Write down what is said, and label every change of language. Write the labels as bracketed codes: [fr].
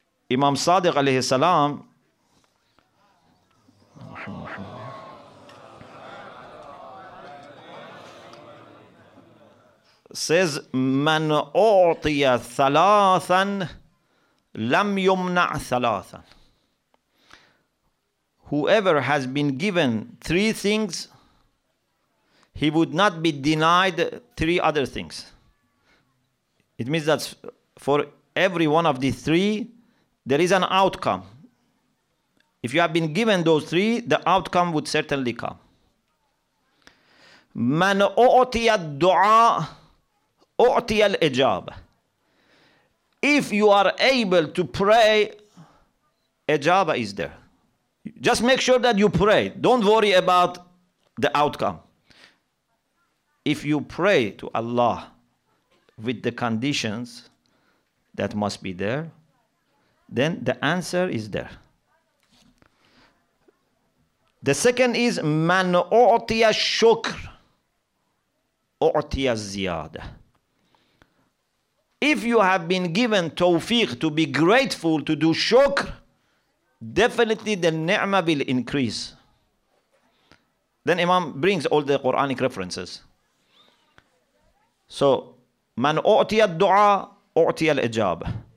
[ar] Imam Sadiq alayhi salam, [en] says, [ar] من أعطي ثلاثا لم يمنع ثلاثا. [en] Whoever has been given three things, he would not be denied three other things. It means that for every one of the three, there is an outcome. If you have been given those three, the outcome would certainly come. [ar] من أعطي الدعاء أعطي الإجابة. [en] If you are able to pray, إجابة is there. Just make sure that you pray. Don't worry about the outcome. If you pray to Allah with the conditions that must be there, then the answer is there. The second is [ar] من أعطي الشكر أعطي الزيادة. [en] If you have been given tawfiq to be grateful, to do shukr, definitely the ni'mah will increase. Then Imam brings all the Quranic references. So, [ar] man u'tiya du'a, u'tiya al-ijab.